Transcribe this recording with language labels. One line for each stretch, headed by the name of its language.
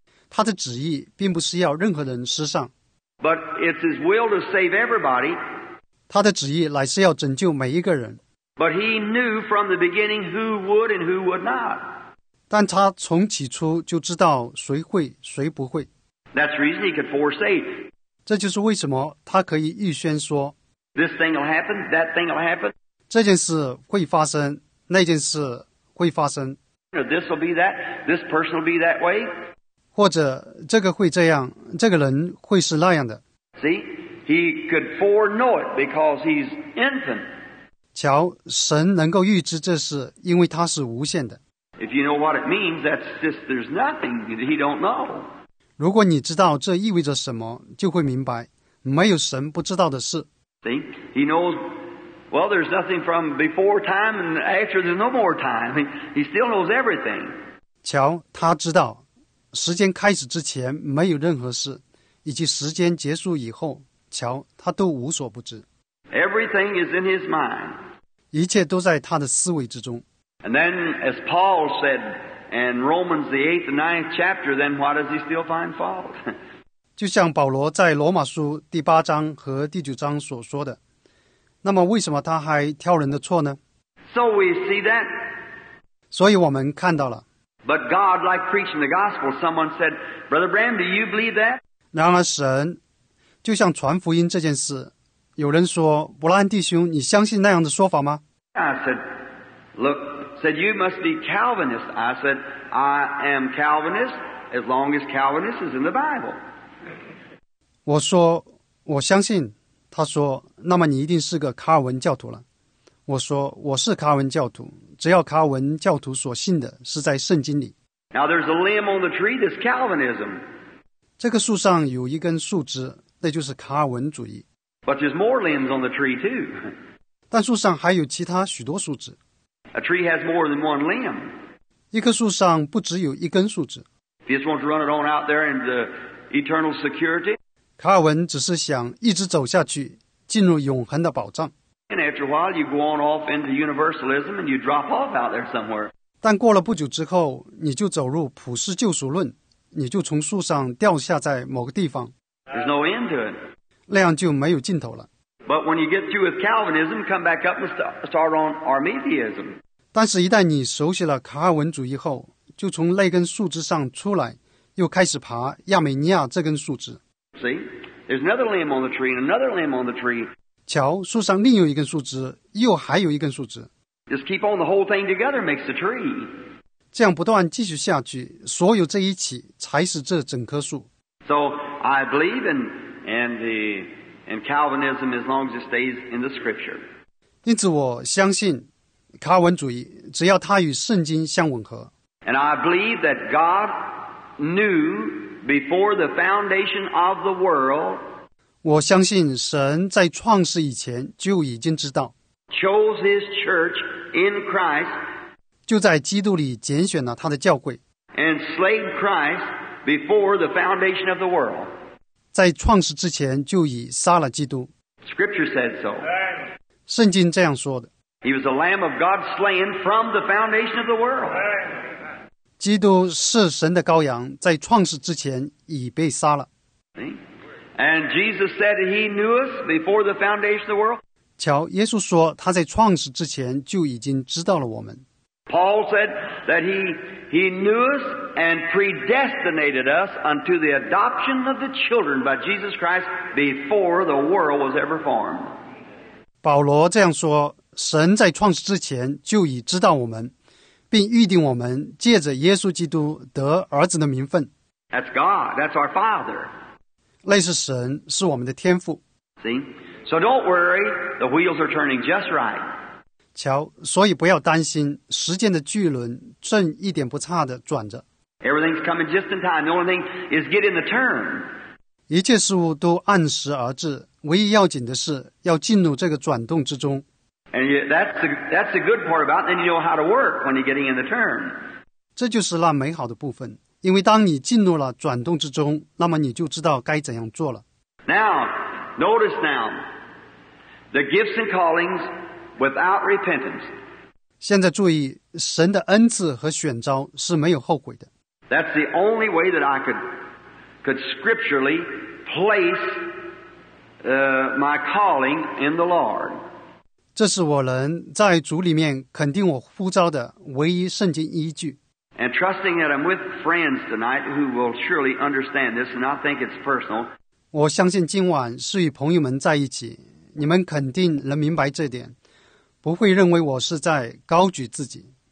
Chinese: 他的旨意并不是要任何人失丧。
English: But it's his will to save everybody.
Chinese: 他的旨意乃是要拯救每一个人。
English: But he knew from the beginning who would and who would not.
Chinese: 但他从起初就知道谁会，谁不会。
English: That's the reason he could foresee.
Chinese: 这就是为什么他可以预先说。
English: This thing will happen, that thing will happen.
Chinese: 这件事会发生，那件事会发生。
English: This will be that, this person will be that way.
Chinese: 或者这个会这样，这个人会是那样的。
English: See, he could foreknow it because he's infinite.
Chinese: 瞧，神能够预知这事，因为他是无限的。
English: If you know what it means, that's just there's nothing that he don't know.
Chinese: 如果你知道这意味着什么，就会明白，没有神不知道的事。
English: See, he knows. Well, there's nothing from before time and after. There's no more time. He still knows everything.
Chinese: 瞧，他知道。时间开始之前没有任何事，以及时间结束以后，瞧，他都无所不知。
English: Everything is in his mind.
Chinese: 一切都在他的思维之中。
English: And then, as Paul said in Romans the 8th and 9th chapter, then why does he still find fault?
Chinese: 就像保罗在罗马书第八章和第九章所说的，那么为什么他还挑人的错呢？
English: So we see that.
Chinese: 所以我们看到了。
English: But God, like preaching the gospel, someone said, Brother Bram, do you believe that?
Chinese: 然而神，就像传福音这件事，有人说，伯兰弟兄，你相信那样的说法吗？
English: I said, look, said you must be Calvinist. I said, I am Calvinist as long as Calvinist is in the Bible.
Chinese: 我说，我相信。他说，那么你一定是个卡尔文教徒了。我说，我是卡尔文教徒，只要卡尔文教徒所信的是在圣经里。
English: Now there's a limb on the tree, that's Calvinism.
Chinese: 这个树上有一根树枝，那就是卡尔文主义。
English: But there's more limbs on the tree too.
Chinese: 但树上还有其他许多树枝。
English: A tree has more than one limb.
Chinese: 一棵树上不只有一根树枝。
English: If you just want to run it on out there into eternal security.
Chinese: 卡尔文只是想一直走下去，进入永恒的保障。
English: And after a while, you go on off into universalism, and you drop off out there somewhere.
Chinese: 但过了不久之后，你就走入普世救赎论，你就从树上掉下在某个地方。
English: There's no end to it.
Chinese: 那样就没有尽头了。
English: But when you get through with Calvinism, come back up and start on Arminianism.
Chinese: 但是，一旦你熟悉了卡尔文主义后，就从那根树枝上出来，又开始爬亚美尼亚这根树枝。
English: See, there's another limb on the tree, and another limb on the tree.
Chinese: 瞧，树上另有一根树枝，又还有一根树枝。
English: Just keep on the whole thing together makes the tree.
Chinese: 这样不断继续下去，所有这一起才是这整棵树。
English: So I believe in Calvinism as long as it stays in the Scripture.
Chinese: 因此我相信卡尔文主义，只要它与圣经相吻合。
English: And I believe that God knew before the foundation of the world.
Chinese: 我相信神在创世以前就已经知道
English: chose his church in Christ,
Chinese: 就在基督里拣选了他的教会
English: and slayed Christ before the foundation of the world.
Chinese: 在创世之前就已杀了基督
English: Scripture said so.
Chinese: 圣经这样说的
English: He was the Lamb of God slain from the foundation of the world.
Chinese: 基督是神的羔羊，在创世之前已被杀了。
English: And Jesus said he knew us before the foundation of the world.
Chinese: 瞧，耶稣说他在创世之前就已经知道了我们。
English: Paul said that he knew us and predestinated us unto the adoption of the children by Jesus Christ before the world was ever formed.
Chinese: 保罗这样说，神在创世之前就已知道我们，并预定我们借着耶稣基督得儿子的名分。
English: That's God. That's our Father.
Chinese: 那是神，是我们的天父。
English: See? So don't worry, the wheels are turning just right.
Chinese: 瞧，所以不要担心，时间的巨轮正一点不差地转着。
English: Everything's coming just in time. The only thing is getting the turn.
Chinese: 一切事物都按时而至，唯一要紧的是要进入这个转动之中。
English: And that's the good part about it. Then you know how to work when you're getting in the turn.
Chinese: 这就是那美好的部分，因为当你进入了转动之中，那么你就知道该怎样做了。
English: Now, notice now, the gifts and callings without repentance.
Chinese: 现在注意，神的恩赐和选召是没有后悔的。
English: That's the only way that I could scripturally place my calling in the Lord.
Chinese: 这是我能在主里面肯定我呼召的唯一圣经依据。
English: And trusting that I'm with friends tonight who will surely understand this and not think it's personal.
Chinese: 我相信今晚是与朋友们在一起，你们肯定能明白这点，不会认为我是在高举自己。